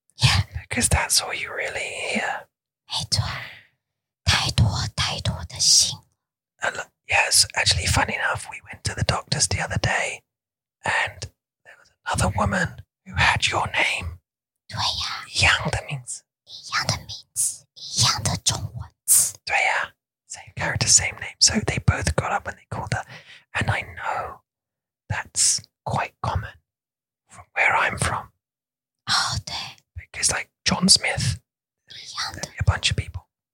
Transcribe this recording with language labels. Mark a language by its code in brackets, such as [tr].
[en] Yeah. Because that's all you really hear. [zh] 没错，太多太多的姓。 [en] Yes, actually, funny enough, we went to the doctors the other day, and there was another woman who had your name. [zh] 对呀。一样的名字。一样的名字，一样的中文字。对呀， [en] same character, same name. So they both got up when they called her, and I know that's quite common from where I'm from. [zh] Oh, 对。 [en] Because like John Smith, a bunch of people.